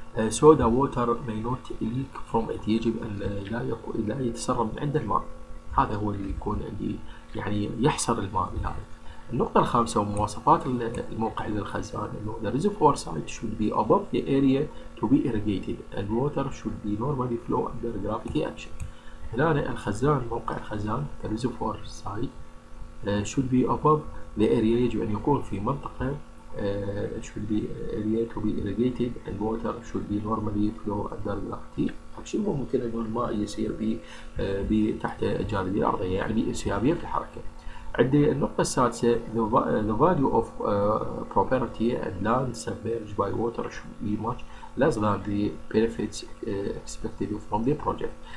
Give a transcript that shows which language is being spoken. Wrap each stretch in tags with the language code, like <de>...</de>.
<en>So the water may not leak from it،</en> <ar>يجب أن لا يتسرب من عند الماء. هذا هو اللي يكون اللي يعني يحصر الماء بهذا. النقطة الخامسة، ومواصفات الموقع للخزان، إنه</ar> <en>the reservoir site should be above the area to be irrigated and water should be normally flow under gravity action.</en> <ar>هنا الخزان، موقع الخزان</ar> <en>the reservoir site should be above the area،</en> <ar>يجب أن يكون في منطقة</ar> <en>should be area to be irrigated and water should be normally flow under gravity action.</en> <ar>ممكن انه الماء يسير تحت الجاذبية الأرضية، يعني انسيابية في الحركة. عندي النقطة السادسة،</ar> <en>the value of property and land submerged by water should be much less than the benefits expected from the project.</en>